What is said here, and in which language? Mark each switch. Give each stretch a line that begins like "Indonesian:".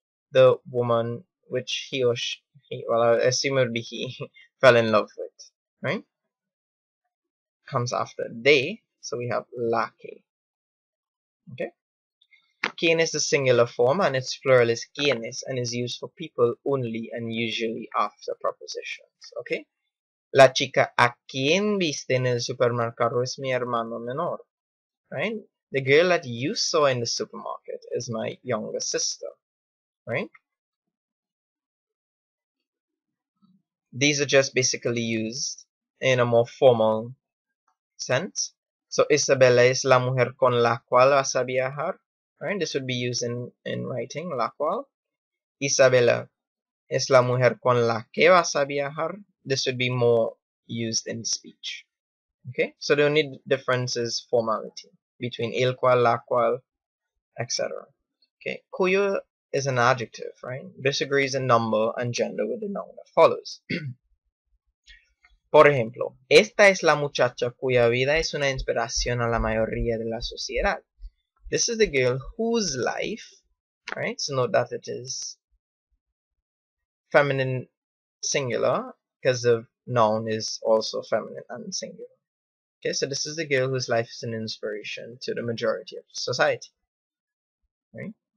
English: The woman which he or she, well, I assume it would be he, fell in love with. Right? Comes after de, so we have la que. Okay? Quien is the singular form and its plural is quienes and is used for people only and usually after prepositions. Okay?
Spanish: La chica a quien viste en el supermercado es mi hermano menor.
English: Right? The girl that you saw in the supermarket is my younger sister. Right? These are just basically used in a more formal sense.
Spanish: So Isabella es la mujer con la cual vas a viajar.
English: Right, this would be used in writing,
Spanish: la cual. Isabella es la mujer con la que vas a viajar.
English: This would be more used in speech. Okay, so the only difference is formality between el cual, la cual, etc. Okay, cuyo is an adjective, right? This agrees in number and gender with the noun that follows.
Spanish: Por ejemplo, esta es la muchacha cuya vida es una inspiración a la mayoría de la sociedad.
English: This is the girl whose life, right? So note that it is feminine singular because the noun is also feminine and singular. Okay, so this is the girl whose life is an inspiration to the majority of society, right?